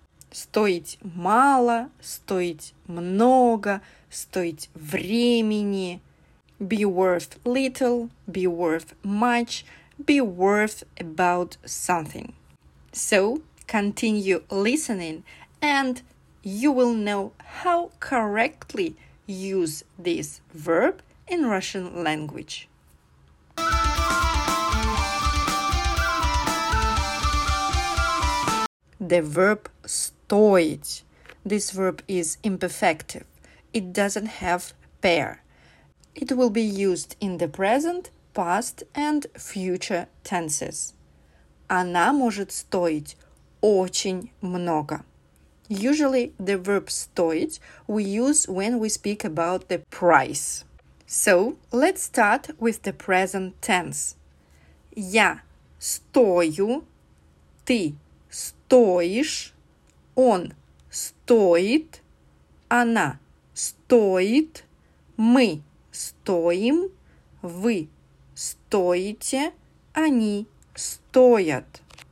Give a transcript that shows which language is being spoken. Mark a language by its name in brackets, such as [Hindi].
[Russian] Стоить мало, стоить много, стоить времени. [English] Be worth little, be worth much, be worth about something. So, continue listening and you will know how correctly use this verb in Russian language. The verb стоить. This verb is imperfective. It doesn't have pair. It will be used in the present, past and future tenses. [Russian] Она может стоить очень много. [English] Usually the verb стоить we use when we speak about the price. So let's start with the present tense. [Russian] Я стою, ты стоишь, он стоит, она стоит, мы стоим, вы стоите, они стоят.